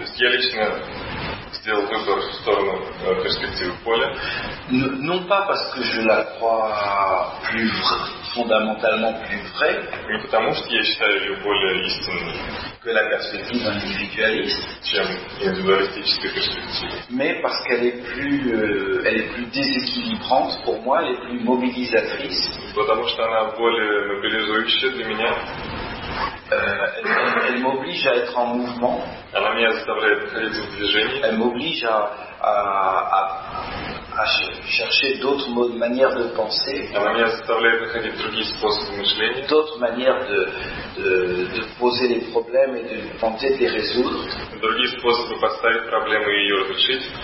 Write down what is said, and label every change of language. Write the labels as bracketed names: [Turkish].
[Russian] Я лично сделал выбор в сторону перспективы поля. [French] Non pas parce que je la crois plus fondamentalement plus vraie. [Russian] Не потому что я считаю ее более истинной. [French] Que la perspective individualiste. [Russian] Чем индивидуалистическая перспектива. [French] Mais parce qu'elle est plus déséquilibrante pour moi, elle est plus mobilisatrice. [Russian] Потому что она более мобилизующая для меня. [French] Elle m'oblige à être en mouvement. [Russian] Она меня заставляет ходить в движении. [French] Elle m'oblige à chercher d'autres manières de penser. [Russian] Она меня заставляет находить другие способы мышления. [French] D'autres manières de poser les problèmes et de tenter de les résoudre. [Russian] Другие способы поставить проблемы и ее решить.